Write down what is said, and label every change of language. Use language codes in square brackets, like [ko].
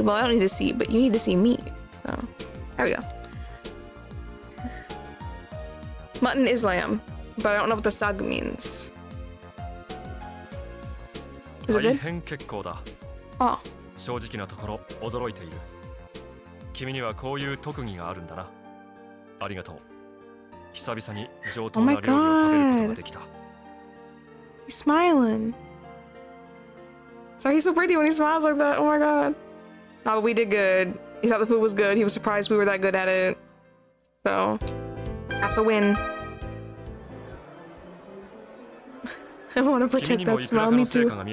[en] Well, I don't need to see, but you need to see me. So, there we go. Mutton is lamb, but I don't know what the sag means. Is it good? Oh. [ja] 正直なところ驚いている。君にはこういう特技があるんだな。ありがとう。久々に上等な料理を食べることができた。 [en] Oh my god. He's smiling. Sorry, he's so pretty when he smiles like that. Oh my god. Oh, we did good. He thought the food was good. He was surprised we were that good at it. So, that's a win. I want to protect that smile, me too.